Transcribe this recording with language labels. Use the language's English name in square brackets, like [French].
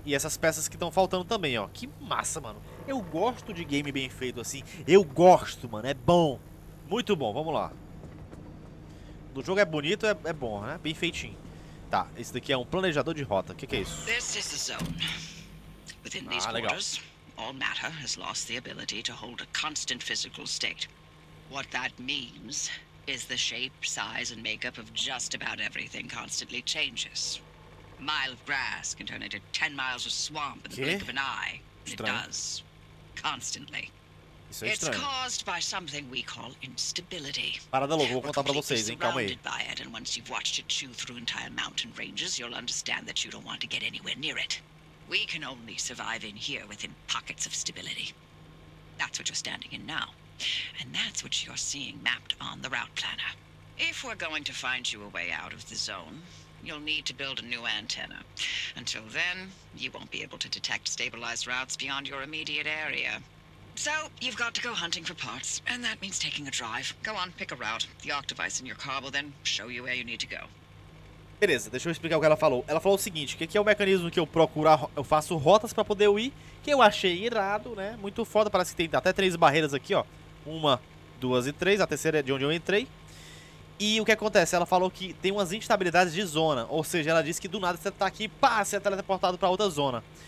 [Portuguese] E essas peças que estão faltando também, ó. Que massa, mano. Eu gosto de game bem feito assim. Eu gosto, mano. É bom. Muito bom. Vamos lá. O jogo é bonito, é bom, né? Bem feitinho. Tá. Esse daqui é um planejador de rota. O que é isso? [English] This is the zone. Within these borders, all matter has lost the ability to hold a constant physical state. What that means is the shape, size and makeup of just about everything constantly changes. Mile of grass can turn into 10 miles of swamp in the blink of an eye. It does. Constantly. [Portuguese] Isso é estranho. [English] It's caused by something we call instability. [Portuguese] Parada louca, vou contar pra vocês, hein? Calma aí. [English] By it, and once you've watched it chew through entire mountain ranges, you'll understand that you don't want to get anywhere near it. We can only survive in here within pockets of stability. That's what you're standing in now. And that's what you're seeing mapped on the route planner. If we're going to find you a way out of the zone, you'll need to build a new antenna. Until then, you won't be able to detect stabilized routes beyond your immediate area. So, you've got to go hunting for parts, and that means taking a drive. Go on, pick a route. The arc device in your car will then show you where you need to go. [Portuguese] Beleza, deixa eu explicar o que ela falou. Ela falou o seguinte, que aqui é o mecanismo que eu procuro, eu faço rotas para poder ir, que eu achei irado, né? Muito foda, parece que tem até três barreiras aqui, ó. Uma, duas e três, a terceira é de onde eu entrei. E o que acontece? Ela falou que tem umas instabilidades de zona, ou seja, ela disse que do nada você tá aqui, pá, você é teleportado pra outra zona.